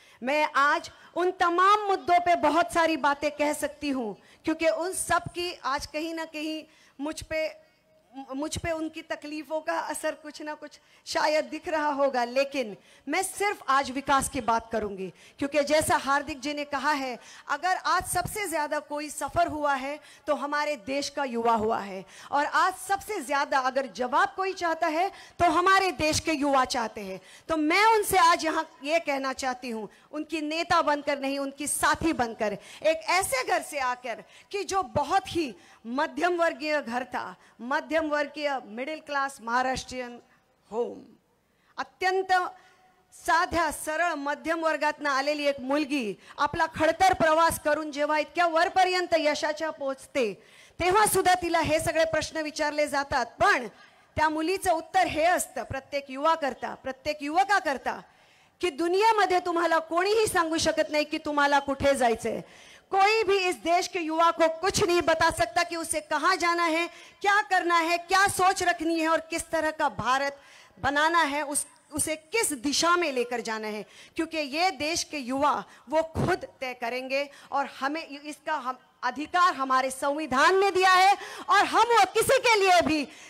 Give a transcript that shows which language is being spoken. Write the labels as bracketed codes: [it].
[hi] मैं आज उन तमाम मुद्दों पे बहुत सारी बातें कह सकती हूँ क्योंकि उन सब की आज कहीं ना कहीं मुझ पे उनकी तकलीफ़ों का असर कुछ ना कुछ शायद दिख रहा होगा, लेकिन मैं सिर्फ आज विकास की बात करूँगी क्योंकि जैसा हार्दिक जी ने कहा है, अगर आज सबसे ज़्यादा कोई सफ़र हुआ है तो हमारे देश का युवा हुआ है, और आज सबसे ज़्यादा अगर जवाब कोई चाहता है तो हमारे देश के युवा चाहते हैं। तो मैं उनसे आज यहाँ ये कहना चाहती हूँ, उनकी नेता बनकर नहीं, उनकी साथी बनकर, एक ऐसे घर से आकर कि जो बहुत ही मध्यम वर्गीय घर था, मध्यम वर्गीय [en] middle class Maharashtrian home, [hi] अत्यंत [mr] साध्या सरळ मध्यम वर्गातून आलेली एक मुलगी आपला खडतर प्रवास करून जेव्हा इतक्या वरपर्यंत यशाच्या पोहोचते तेव्हा सुद्धा तिला हे सगळे प्रश्न विचारले जातात, पण त्या मुलीचं उत्तर हे असतं प्रत्येक युवा करता, प्रत्येक युवका करता, की दुनियेमध्ये तुम्हाला कोणीही सांगू शकत नाही की तुम्हाला कुठे जायचंय। [hi] कोई भी इस देश के युवा को कुछ नहीं बता सकता कि उसे कहाँ जाना है, क्या करना है, क्या सोच रखनी है और किस तरह का भारत बनाना है, उसे किस दिशा में लेकर जाना है, क्योंकि ये देश के युवा वो खुद तय करेंगे और हमें इसका अधिकार हमारे संविधान में दिया है और हम वो किसी के लिए भी